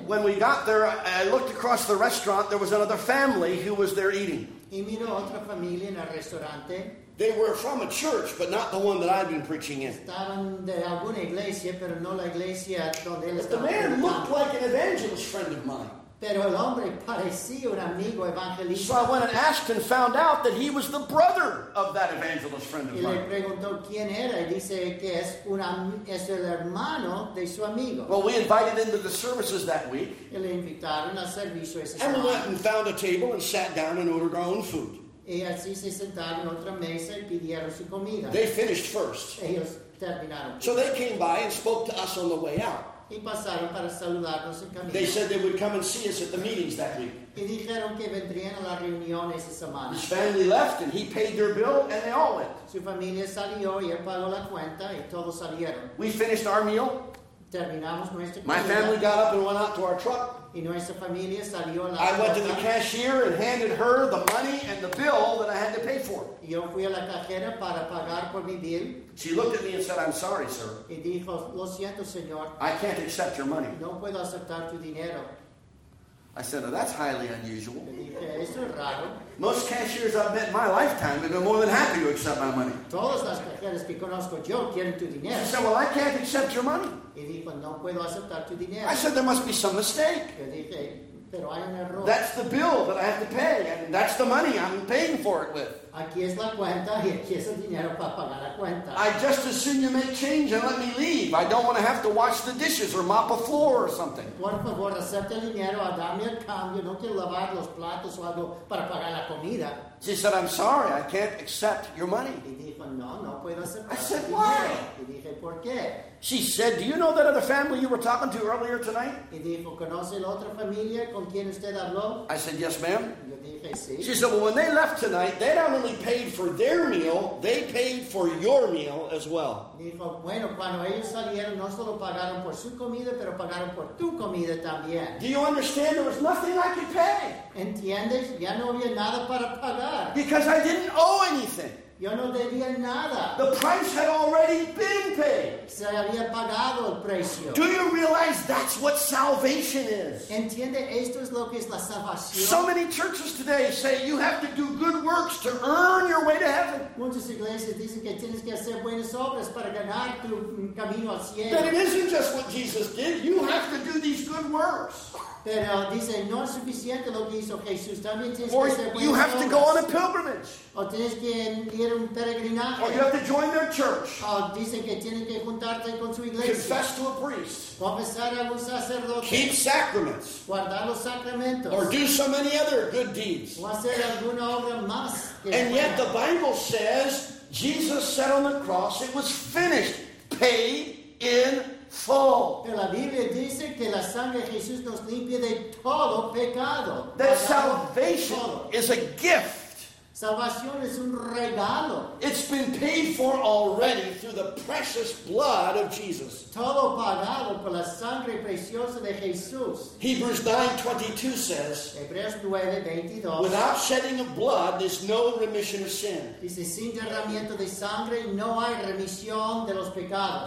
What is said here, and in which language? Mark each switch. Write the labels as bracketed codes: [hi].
[en] When we got there, I looked across the restaurant. There was another family who was there eating. [es] Y miró otra familia en el restaurante. [en] They were from a church, but not the one that I'd been preaching in. [es] Estaban de alguna iglesia, pero no la iglesia donde él estaba. [en] But the man looked like an evangelist friend of mine. [es] Pero el hombre parecía un amigo evangelista. [en] So I went and asked and found out that he was the brother of that evangelist friend of mine. [es] Y le preguntó quién era, y dice que es el hermano de su amigo. [en] Well, we invited him to the services that week. [es] Y le invitaron al servicio ese. [en] And we went and found a table and sat down and ordered our own food. [es] Y así se sentaron en otra mesa y pidieron su comida. [en] They finished first. [es] Ellos terminaron. [en] So they came by and spoke to us on the way out. [es] Y pasaron para saludarnos en camino. [en] They said they would come and see us at the meetings that week. [es] Y dijeron que vendrían a la reunión esa semana. [en] His family left and he paid their bill and they all went. [es] Su familia salió y él pagó la cuenta y todos salieron. [en] We finished our meal. [es] Terminamos nuestra comida. [en] My family got up and went out to our truck. [es] Y nuestra familia salió a la [en] I went to the cashier and handed her the money and the bill that I had to pay for. [es] Yo fui a la cajera para pagar por mi bill. [en] She looked at me and said, I'm sorry, sir. [es] Y dijo, lo siento, señor. [en] I can't accept your money. [es] No puedo aceptar tu dinero. [en] I said, oh, that's highly unusual. [es] Dije, eso es raro. [en] Most cashiers I've met in my lifetime have been more than happy to accept my money. [es] Todas las cajeras que conozco yo quieren tu dinero. [en] She said, well, I can't accept your money. [es] Y dijo, no puedo aceptar tu dinero. [en] I said, there must be some mistake. [es] Yo dije, pero hay un error. [en] That's the bill that I have to pay, and that's the money I'm paying for it with. [es] Aquí es la cuenta, y aquí es el dinero para pagar la cuenta. [en] I just assume you make change and let me leave. I don't want to have to wash the dishes or mop a floor or something. [es] Por favor, acepte el dinero, dame el cambio. No quiero lavar los platos o algo para pagar la comida. [en] She said, I'm sorry, I can't accept your money. [es] Y dijo, no, no puedo aceptar. [en] I said, why? [es] Y dije, ¿por qué? [en] She said, do you know that other family you were talking to earlier tonight? [es] Y dijo, ¿conoce la otra familia con quien usted habló? [en] I said, yes, ma'am. [es] Yo dije, sí. [en] She said, well, when they left tonight, they not only paid for their meal, they paid for your meal as well. [es] Dijo, bueno, cuando ellos salieron, no solo pagaron por su comida, pero pagaron por tu comida también. [en] Do you understand? There was nothing I could pay. [es] ¿Entiendes? Ya no había nada para pagar. [en] Because I didn't owe anything. [es] Yo no debía nada. [en] The price had already been paid. [es] Se había pagado el precio. [en] Do you realize that's what salvation is? [es] ¿Entiende? Esto es lo que es la salvación. [en] So many churches today say you have to do good works to earn your way to heaven. [es] Muchas iglesias dicen que tienes que hacer buenas obras para ganar tu camino al cielo. [en] But it isn't just what Jesus did. You have to do these good works. [es] Pero dice, no es suficiente lo que hizo Jesús. También tienes [en] or [es] que hacer buenas [en] you have [es] obras. [en] To go on a pilgrimage. [es] O tienes que ir a un peregrinaje. [en] Or you have to join their church. [es] O dicen que tienes que juntarte con su iglesia. [en] Confess to a priest. [es] Confesar a un sacerdote. [en] Keep sacraments. [es] Guardar los sacramentos. [en] Or do so many other good deeds. [es] O hacer alguna obra más. [en] Que and yet the Bible says, Jesus said on the cross, it was finished. Pay in full. [es] Pero la Biblia dice que la sangre de Jesús nos limpia de todo pecado. [en] That salvation is a gift. [es] Salvación es un regalo. [en] It's been paid for already through the precious blood of Jesus. [es] Todo pagado por la sangre preciosa de Jesús. [en] Hebrews 9:22 says, [es] Hebreos 9:22, [en] without shedding of blood, there's no remission of sin. [es] Dice, sin derramamiento de sangre, no hay remisión de los pecados.